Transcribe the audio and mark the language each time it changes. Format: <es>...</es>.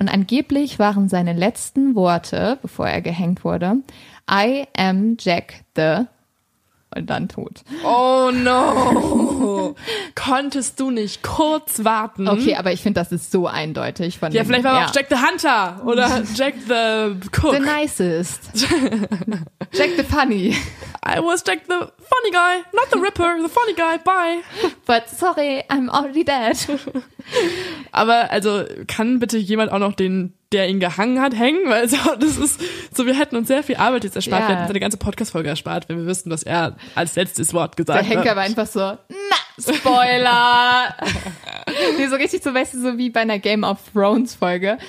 <de>Und angeblich waren seine letzten Worte, bevor er gehängt wurde,</de> <en>I am Jack the...</en> <de>Und dann tot.</de> <en>Oh no!</en> <de>Konntest du nicht kurz warten? Okay, aber ich finde, das ist so eindeutig. Ja, vielleicht war auch Jack the Hunter oder Jack the Cook.</de> <en>The nicest. Jack the funny. I was Jack the funny guy, not the Ripper, the funny guy, bye. But sorry, I'm already dead.</en> <de>Aber also, kann bitte jemand auch noch den, der ihn gehangen hat, hängen? Weil so, das ist so, wir hätten uns sehr viel Arbeit jetzt erspart. Wir hätten uns eine ganze Podcast-Folge erspart, wenn wir wüssten, was er als letztes Wort gesagt hat. Der Henker war einfach so, na, Spoiler! Nee, so richtig so, weißt du, so wie bei einer Game of Thrones-Folge.</de>